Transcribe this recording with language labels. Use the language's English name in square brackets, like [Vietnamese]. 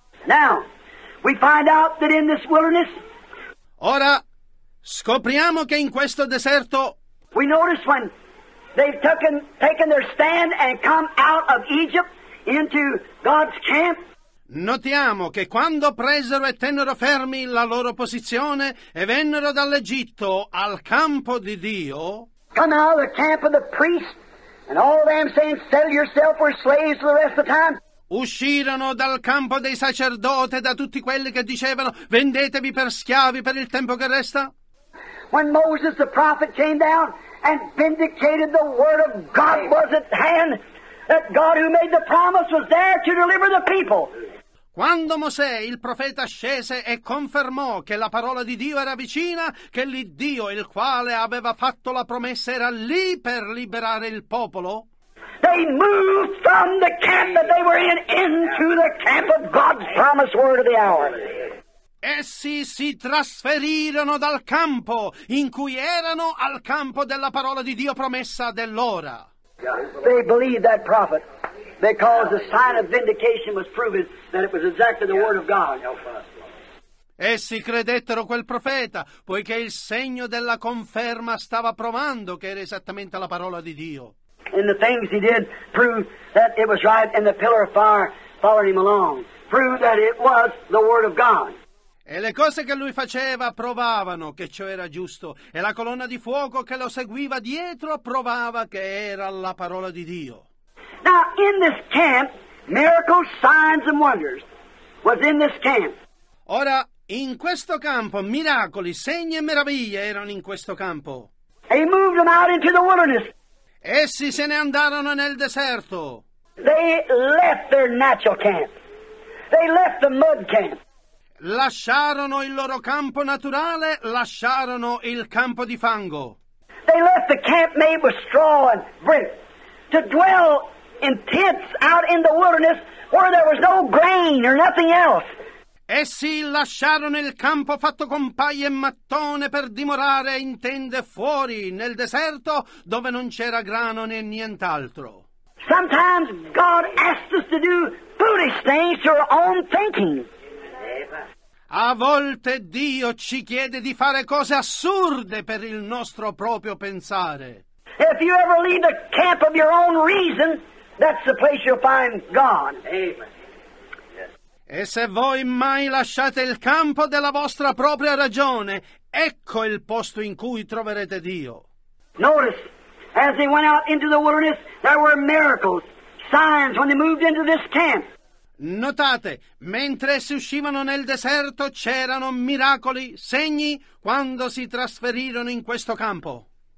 [English] Now, we find out that in this wilderness. [Italian] Ora, scopriamo che in questo deserto. [English] We notice when. They've taken their stand and come out of Egypt into God's camp. [Italian] Notiamo che quando presero e tennero fermi la loro posizione e vennero dall'Egitto al campo di Dio. [English] Come out of the camp of the priest and all of them saying, "Sell yourself, we're slaves for the rest of the time." [Italian] Uscirono dal campo dei sacerdoti da tutti quelli che dicevano, "Vendetevi per schiavi per il tempo che resta." [English] When Moses the prophet came down and vindicated the word of God was at hand, that God who made the promise was there to deliver the people. [Italian] Quando Mosè, il profeta, scese e confermò che la parola di Dio era vicina, che l'Iddio il quale aveva fatto la promessa era lì per liberare il popolo. [English] They moved from the camp that they were in into the camp of God's promised word of the hour. [Italian] Essi si trasferirono dal campo in cui erano al campo della parola di Dio promessa dell'ora. [English] They believed that prophet because the sign of vindication was proven that it was exactly the word of God. [Italian] Essi credettero quel profeta poiché il segno della conferma stava provando che era esattamente la parola di Dio. [English] And the things he did proved that it was right, and the pillar of fire following him along proved that it was the word of God. [Italian] E le cose che lui faceva provavano che ciò era giusto, e la colonna di fuoco che lo seguiva dietro provava che era la parola di Dio. [English] Now, in this camp, miracles, signs and wonders was in this camp. [Italian] Ora, in questo campo, miracoli, segni e meraviglie erano in questo campo. [English] He moved them out into the wilderness. [Italian] Essi se ne andarono nel deserto. [English] They left their natural camp. They left the mud camp. [Italian] Lasciarono il loro campo naturale, lasciarono il campo di fango. [English] They left the camp made with straw and brick to dwell in tents out in the wilderness where there was no grain or nothing else. [Italian] Essi lasciarono il campo fatto con paglia e mattone per dimorare in tende fuori nel deserto dove non c'era grano né nient'altro. [English] Sometimes God asks us to do foolish things to our own thinking. [Italian] A volte Dio ci chiede di fare cose assurde per il nostro proprio pensare. [English] If you ever leave the camp of your own reason, that's the place you'll find God. [Italian] E se voi mai lasciate il campo della vostra propria ragione, ecco il posto in cui troverete Dio. [English] Notice, as they went out into the wilderness, there were miracles, signs when they moved into this camp. [Italian] Notate, mentre essi uscivano nel deserto, c'erano miracoli, segni, quando si trasferirono in questo campo.